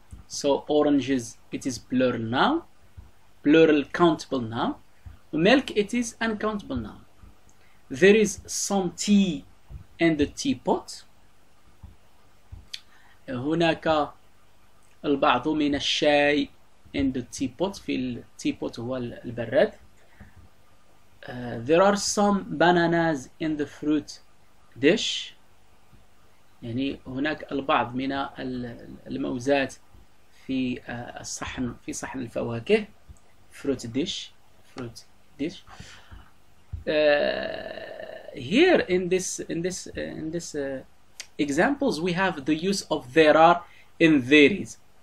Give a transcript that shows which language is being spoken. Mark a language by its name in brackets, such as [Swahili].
[English] So oranges, it is plural noun. Plural countable noun. Milk, it is uncountable noun. There is some tea in the teapot. [Arabic] هناك البعض من الشاي [English] in the teapot. [Arabic] في الteapot هو البراد. [English] There are some bananas in the fruit dish. [Arabic] يعني هناك البعض من الموزات في الصحن في صحن الفواكه. [English] Fruit dish. Fruit dish. Here in this examples we have the use of there are in there is.